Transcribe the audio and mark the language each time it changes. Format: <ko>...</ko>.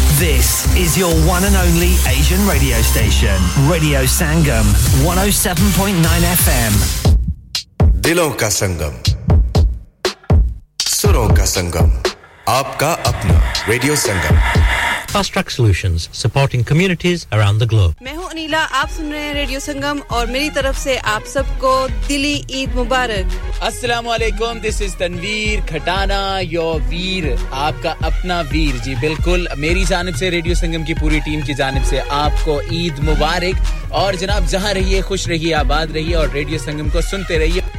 <en>This is your one and only Asian radio station. Radio Sangam, 107.9 FM.</en> <hi>Dilon ka Sangam. Suron ka Sangam. Aapka apna Radio Sangam.</hi> <en>Fast Track Solutions, supporting communities around the globe.</en> <hi>मैं हूँ अनीला, आप सुन रहे हैं radio संगम और मेरी तरफ से आप सबको दिली ईद मुबारक.</hi> <en>Assalamualaikum, this is Tanveer Khatana, your veer,</en> <hi>आपका अपना veer. जी बिल्कुल, मेरी जानिब से रेडियो संगम की पूरी टीम की जानिब से आपको ईद मुबारक और जनाब जहाँ रहिए खुश रहिए आबाद रहिए और रेडियो संगम को सुनते रहिए.</hi>